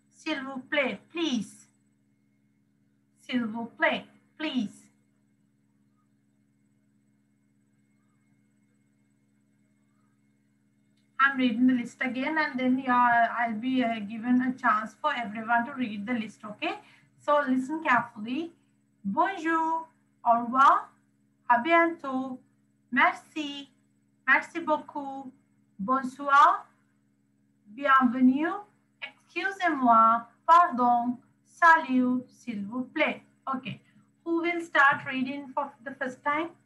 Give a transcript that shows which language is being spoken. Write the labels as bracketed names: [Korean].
[French] S'il vous plaît, [English] please. [French] S'il vous plaît, please. [English] I'm reading the list again and then I'll be given a chance for everyone to read the list, okay? So listen carefully. [French] Bonjour, au revoir, à bientôt, merci, merci beaucoup, bonsoir, bienvenue, excusez-moi, pardon, salut, s'il vous plaît. [English] Okay, who will start reading for the first time?